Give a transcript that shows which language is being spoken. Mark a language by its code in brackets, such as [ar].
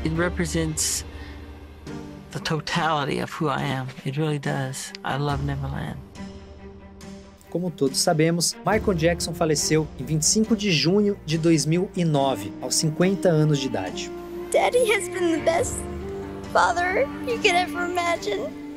[en] It represents the totality of who I am. It really does. I love Neverland. [pt] Como todos sabemos, Michael Jackson faleceu em 25 de junho de 2009, aos 50 anos de idade. [en] Daddy has been the best father you could ever imagine.